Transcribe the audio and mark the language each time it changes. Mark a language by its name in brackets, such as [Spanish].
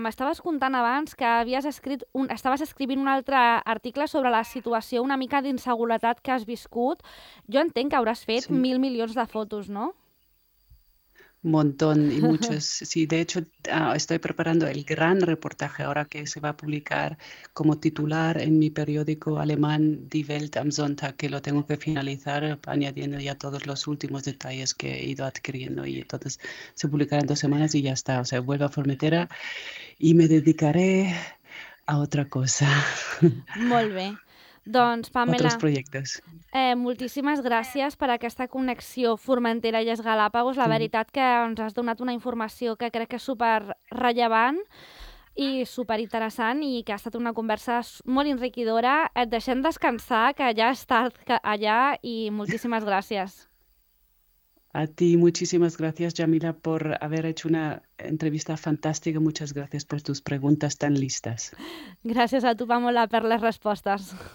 [Catalan] M'estaves contant abans que havies escrit un, estaves escrivint un altre article sobre la situació, una mica d'inseguretat que has viscut. Jo entenc que hauràs fet [Spanish] Sí. [Catalan] mil milions de fotos, no? [Spanish] Montón y muchos. Sí, de hecho, estoy preparando el gran reportaje ahora que se va a publicar como titular en mi periódico alemán Die Welt am Sonntag, que lo tengo que finalizar añadiendo ya todos los últimos detalles que he ido adquiriendo. Y entonces se publicará en 2 semanas y ya está. O sea, vuelvo a Formentera y me dedicaré a otra cosa, [Catalan] Molt bé. Doncs, [Spanish] otros [Catalan] Pamela, [Spanish] proyectos. [Catalan] moltíssimes gràcies per aquesta connexió Formentera i Illes Galápagos. La [Spanish] Tú. [Catalan] veritat que ens has donat una informació que crec que és super rellevant i super interessant i que ha estat una conversa molt enriquidora. Et deixem descansar, que ja és tard allà, i moltíssimes gràcies. [Spanish] A ti, muchísimas gracias, Yamila, por haber hecho una entrevista fantástica. Muchas gracias por tus preguntas tan listas. [Catalan] Gràcies a tu, Pamela, per les respostes.